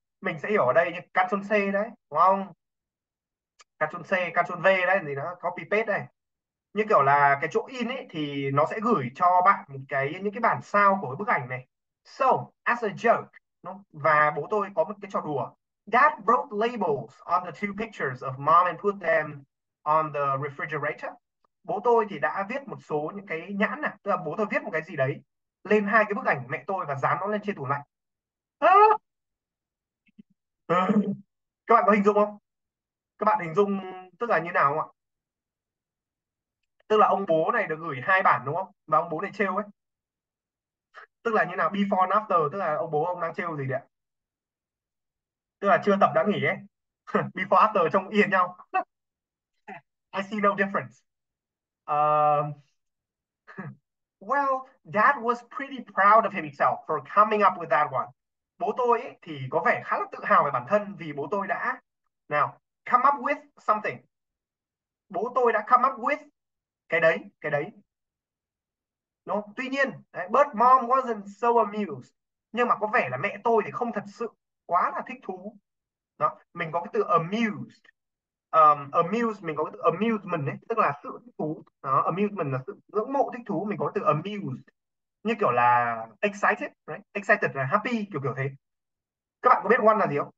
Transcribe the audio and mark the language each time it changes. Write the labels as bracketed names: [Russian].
[Vietnamese] Mình sẽ hiểu ở đây như Ctrl C đấy, đúng không? Ctrl C, Ctrl V đấy thì nó copy paste đây. Như kiểu là cái chỗ in ấy thì nó sẽ gửi cho bạn một cái những cái bản sao của cái bức ảnh này. [English] So, as a joke, [Vietnamese] và bố tôi có một cái trò đùa. [English] Dad wrote labels on the two pictures of mom and put them on the refrigerator. [Vietnamese] Bố tôi thì đã viết một số những cái nhãn này, tức là bố tôi viết một cái gì đấy lên hai cái bức ảnh mẹ tôi và dán nó lên trên tủ lạnh. À. Các bạn có hình dung không? Các bạn hình dung tức là như nào không ạ? Tức là ông bố này được gửi hai bản đúng không? Và ông bố này trêu ấy. Tức là như nào? [English] Before and after, [Vietnamese] tức là ông bố ông đang trêu gì đấy ạ? Tức là chưa tập đã nghỉ ấy. [English] Before after [Vietnamese] trông yên nhau. [English] No difference. Well, dad was pretty proud of himself for coming up with that one. [Vietnamese] Bố tôi ấy thì có vẻ khá là tự hào về bản thân vì bố tôi đã nào [English] come up with something. [Vietnamese] Bố tôi đã [English] come up with [Vietnamese] cái đấy. Đúng không? Tuy nhiên, đấy, [English] but mom wasn't so amused. [Vietnamese] Nhưng mà có vẻ là mẹ tôi thì không thật sự quá là thích thú. Đó, mình có cái từ amused. Amused, mình có cái từ amusement ấy, tức là sự thích thú. Đó, amusement là sự ngưỡng mộ, thích thú, mình có từ amused như kiểu là [English] excited, right? [Vietnamese] Excited là happy, kiểu kiểu thế. Các bạn có biết one là gì không?